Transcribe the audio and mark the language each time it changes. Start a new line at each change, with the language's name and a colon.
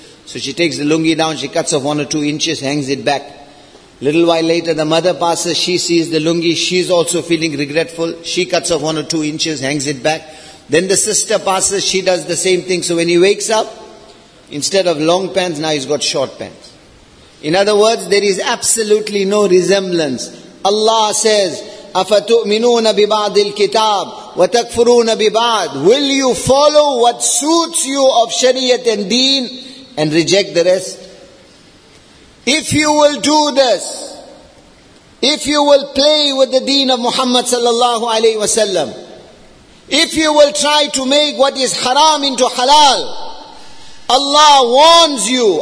English: So she takes the lungi down, she cuts off 1 or 2 inches, hangs it back. Little while later, the mother passes, she sees the lungi, she's also feeling regretful. She cuts off 1 or 2 inches, hangs it back. Then the sister passes, she does the same thing. So when he wakes up, instead of long pants, now he's got short pants. In other words, there is absolutely no resemblance. Allah says,
Arabic: أَفَتُؤْمِنُونَ بِبَعْضِ الْكِتَابِ وَتَكْفُرُونَ بِبَعْضٍ.
English: Will you follow what suits you of Shariat and Deen and reject the rest? If you will do this, if you will play with the Deen of Muhammad sallallahu alayhi wa sallam, if you will try to make what is haram into halal, Allah warns you.